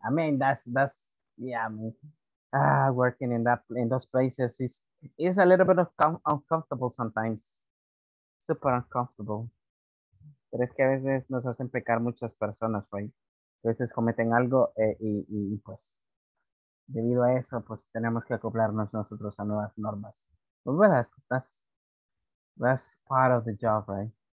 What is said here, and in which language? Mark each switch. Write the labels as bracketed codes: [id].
[en] I mean, that's yeah, I mean, working in those places is a little bit of uncomfortable sometimes. Super uncomfortable. [es] Pero es que a veces nos hacen pecar muchas personas, right? A veces cometen algo y pues debido a eso, pues tenemos que acoplarnos nosotros a nuevas normas. [en] But well, that's part of the job, right?